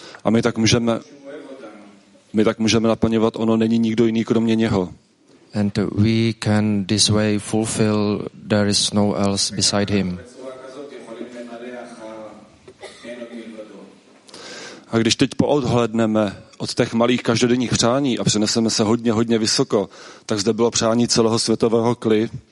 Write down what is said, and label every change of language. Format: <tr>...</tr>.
<cs>A my tak můžeme naplňovat ono není nikdo jiný kromě něho.</cs> <en>And we can this way fulfill there is no else beside him.</en> <cs>A když teď poodhledneme od těch malých každodenních přání a přeneseme se hodně, hodně vysoko, tak zde bylo přání celého světového kli.</cs>